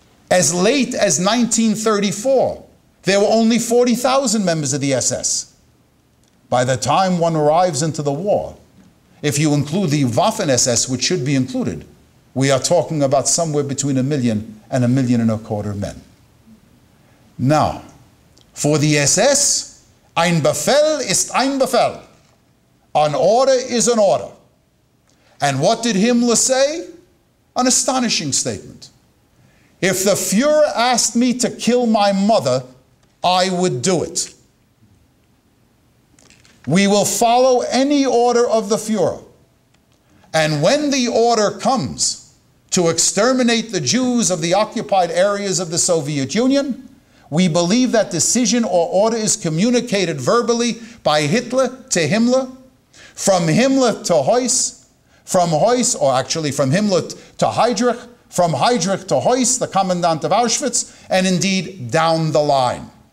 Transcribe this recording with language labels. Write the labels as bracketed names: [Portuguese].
[English] As late as 1934, there were only 40,000 members of the SS. By the time one arrives into the war, if you include the Waffen-SS, which should be included, we are talking about somewhere between 1 million and 1.25 million men. Now, for the SS, [German] ein Befehl ist ein Befehl. [English] An order is an order. And what did Himmler say? An astonishing statement. If the Führer asked me to kill my mother, I would do it. We will follow any order of the Führer. And when the order comes to exterminate the Jews of the occupied areas of the Soviet Union, we believe that decision or order is communicated verbally by Hitler to Himmler, from Himmler to Heuss, from Heuss, or actually from Himmler to Heydrich, from Heydrich to Heuss, the commandant of Auschwitz, and indeed down the line.